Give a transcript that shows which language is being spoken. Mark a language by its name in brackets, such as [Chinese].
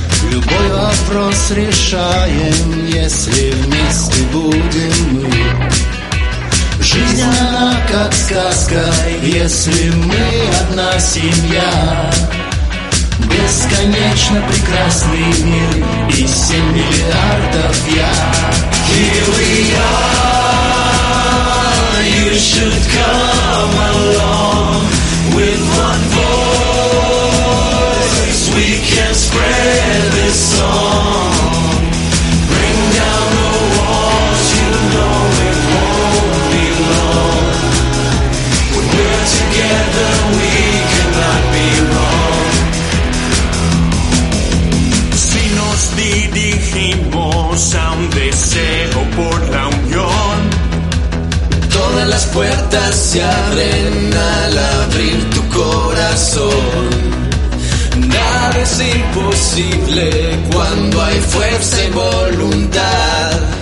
[Russian] Любой вопрос решаем, если вместе будем мы. Жизнь она как сказка, если мы одна семья. Бесконечно прекрасный мир и 7 миллиардов я. [English] Here we are, you should come along. With one voice we can spread this song. Bring down the walls, you know it won't be long. When we're together we cannot be wrong. [Spanish] Dirigimos a un deseo por la unión. Todas las puertas se abren al abrir tu corazón. Nada es imposible cuando hay fuerza y voluntad.